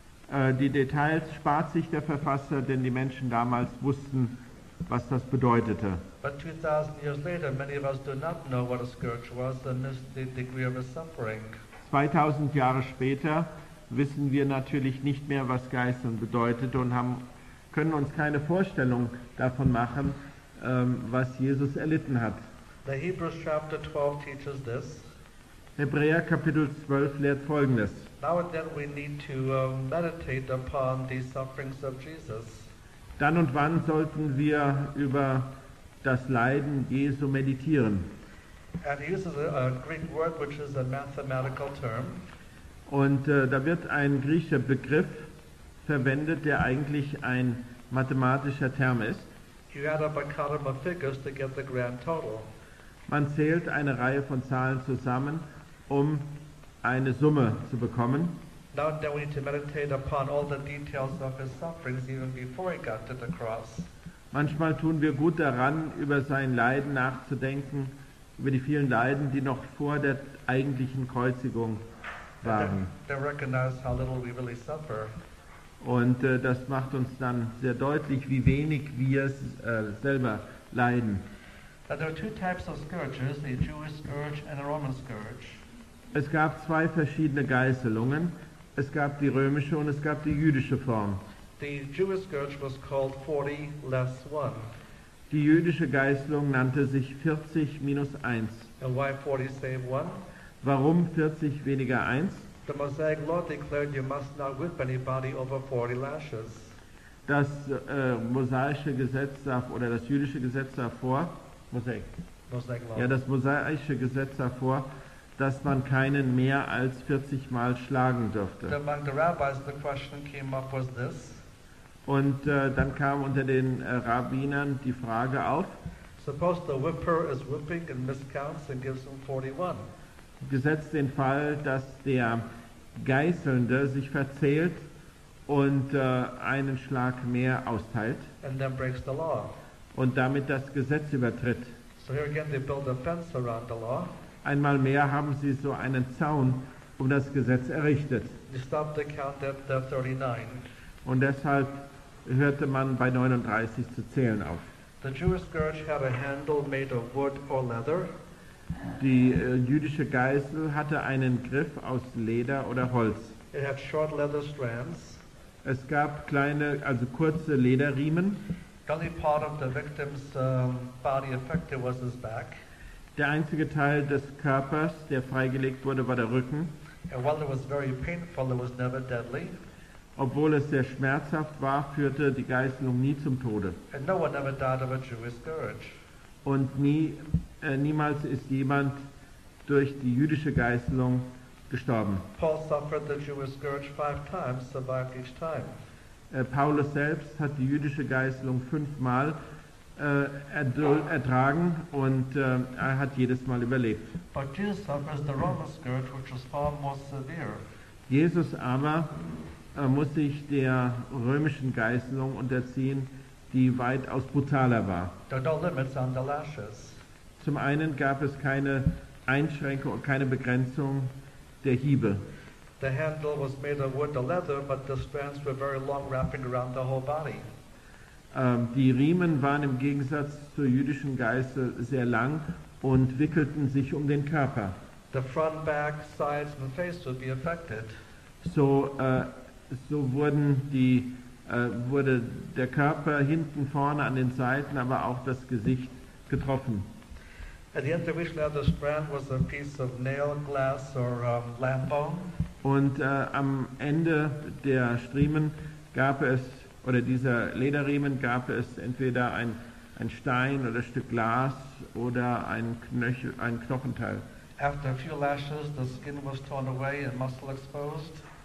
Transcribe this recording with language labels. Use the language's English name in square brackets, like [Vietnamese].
[German] Die Details spart sich der Verfasser, denn die Menschen damals wussten, was das bedeutete. [English] But 2000 years later many of us do not know what a scourge was and miss the degree of his suffering. [German] 2000 Jahre später wissen wir natürlich nicht mehr, was Geißeln bedeutet und haben, können uns keine Vorstellung davon machen, was Jesus erlitten hat. [English] The Hebrews chapter 12 teaches this. [German] Hebräer Kapitel 12 lehrt Folgendes. [English] Now and then we need to meditate upon the sufferings of Jesus. [German] Dann und wann sollten wir über das Leiden Jesu meditieren. [English] And he uses a Greek word which is a mathematical term. [German] Und da wird ein griechischer Begriff verwendet, der eigentlich ein mathematischer Term ist. [English] You add up a column of figures to get the grand total. [German] Man zählt eine Reihe von Zahlen zusammen, um eine Summe zu bekommen. [English] Now then we need to meditate upon all the details of his sufferings even before he got to the cross. [German] Manchmal tun wir gut daran, über sein Leiden nachzudenken, über die vielen Leiden, die noch vor der eigentlichen Kreuzigung waren. [English] They recognize how little we really suffer. [German] Und das macht uns dann sehr deutlich, wie wenig wir selber leiden. [English] Now there are two types of scourges, the Jewish scourge and the Roman scourge. [German] Es gab zwei verschiedene Geißelungen. Es gab die römische und es gab die jüdische Form. [English] The Jewish scourge was called 40 less 1. [German] Die jüdische Geißelung nannte sich 40 minus 1. [English] And why 40 save 1? [German] Warum 40 weniger 1? [English] The Mosaic law declared you must not whip anybody over 40 lashes. [German] Das mosaische Gesetz sah vor, oder das jüdische Gesetz sah vor, das mosaische Gesetz sah vor, dass man keinen mehr als 40 Mal schlagen dürfte. [English] Among the rabbis, the question came up was this. [German] Und dann kam unter den Rabbinern die Frage auf. [English] Suppose the whipper is whipping and miscounts and gives him 41. [German] Gesetzt den Fall, dass der Geißelnde sich verzählt und einen Schlag mehr austeilt. [English] And then breaks the law. [German] Und damit das Gesetz übertritt. [English] So here again they build a fence around the law. [German] Einmal mehr haben sie so einen Zaun um das Gesetz errichtet. [English] They stop the count at 39. [German] Und deshalb hörte man bei 39 zu zählen auf. [English] The Jewish scourge had a handle made of wood or leather. [German] Die jüdische Geißel hatte einen Griff aus Leder oder Holz. [English] It had short leather strands. [German] Es gab kleine, also kurze Lederriemen. [English] The only part of the victim's body affected was his back. [German] Der einzige Teil des Körpers, der freigelegt wurde, war der Rücken. [English] And while it was very painful, it was never deadly. [German] Obwohl es sehr schmerzhaft war, führte die Geißelung nie zum Tode. [English] And no one ever died of a Jewish scourge. [German] Und niemals ist jemand durch die jüdische Geißelung gestorben. [English] Paul suffered the Jewish scourge 5 times, survived each time. [German] Paulus selbst hat die jüdische Geißelung 5 Mal ertragen und er hat jedes Mal überlebt. [English] But Jesus suffers the Roman scourge, which was far more severe. [German] Jesus aber muss sich der römischen Geißelung unterziehen, die weitaus brutaler war. [English] There are no limits on the lashes. [German] Zum einen gab es keine Einschränkung und keine Begrenzung der Hiebe. [English] The handle was made of wood or leather, but the strands were very long, wrapping around the whole body. [German] Die Riemen waren im Gegensatz zur jüdischen Geißel sehr lang und wickelten sich um den Körper. [English] The front, back, sides and face would be affected. [German] So wurde der Körper hinten, vorne, an den Seiten, aber auch das Gesicht getroffen. [English] At the end of which leather strand was a piece of nail, glass or lamp bone. [German] Und am Ende der Striemen gab es, oder dieser Lederriemen, gab es entweder ein Stein oder ein Stück Glas oder ein Knochenteil. [English] After a few lashes, the skin was torn away and muscle exposed.